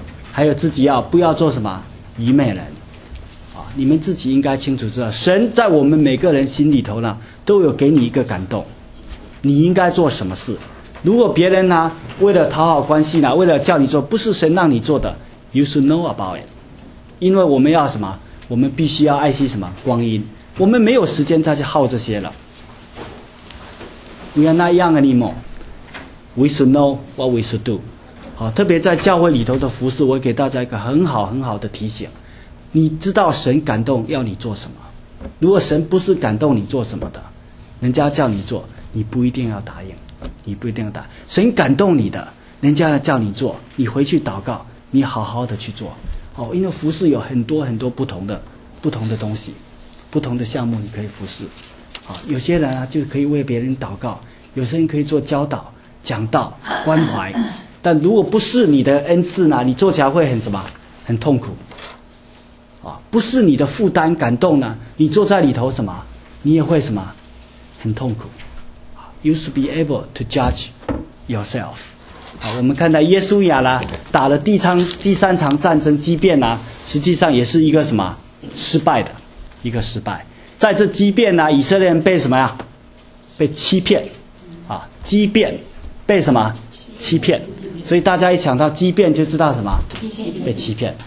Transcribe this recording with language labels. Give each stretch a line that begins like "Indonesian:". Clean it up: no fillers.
Chinese: 还有自己要不要做什么愚昧人，你们自己应该清楚知道，神在我们每个人心里头呢，都有给你一个感动，你应该做什么事。如果别人呢，为了讨好关系呢，为了叫你做，不是神让你做的，
English: you should know about it。
Chinese: 因为我们要什么？我们必须要爱惜什么？光阴，我们没有时间再去耗这些了。
English: We are not young anymore， We should know what we should do。
Chinese: 好，特别在教会里头的服事，我给大家一个很好很好的提醒，你知道神感动要你做什么？如果神不是感动你做什么的，人家叫你做，你不一定要答应，你不一定要答应。神感动你的，人家叫你做，你回去祷告，你好好的去做。哦，因为服事有很多很多不同的东西，不同的项目你可以服事。哦，有些人啊就可以为别人祷告，有些人可以做教导、讲道、关怀。但如果不是你的恩赐呢，你做起来会很什么？很痛苦。不是你的负担感动呢，你坐在里头什么，你也会什么很痛苦。
English: You should be able to judge yourself。
Chinese: 我们看到耶稣雅呢，打了第三场战争，即便呢实际上也是一个什么失败的一个失败，在这即便呢，以色列人被什么呀？被欺骗啊，即便被什么欺骗，所以大家一想到即便就知道什么被欺骗。